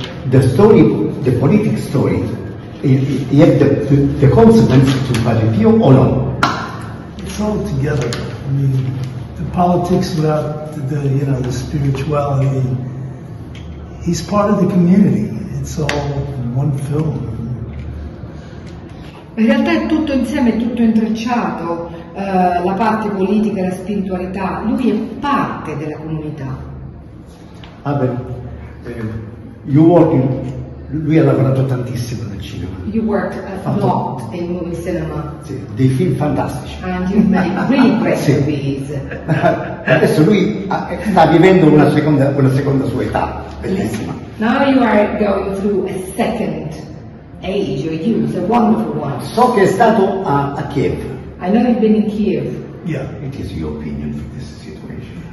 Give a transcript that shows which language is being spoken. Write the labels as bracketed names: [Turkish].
[English] The story, the political story, yet the consequence to Padre Pio or no? It's all together. I mean, the politics without the spirituality. He's part of the community. It's all one film. [Italian] In realtà è tutto insieme, è tutto intrecciato, la parte politica, la spiritualità. Lui è parte della comunità. Abel, [English] you work in, [Italian] lui ha lavorato tantissimo nel cinema. [English] You worked a lot in movie cinema. [Italian] Sì, dei film fantastici. [English] And you made really great movies. [Italian] Adesso lui sta vivendo una seconda sua età, bellissima. [English] Yes. Now you are going through a second age, or you, it's a wonderful one. [Italian] So che è stato a Kiev. [English] I know you've been in Kiev. Yeah. It is your opinion for this situation.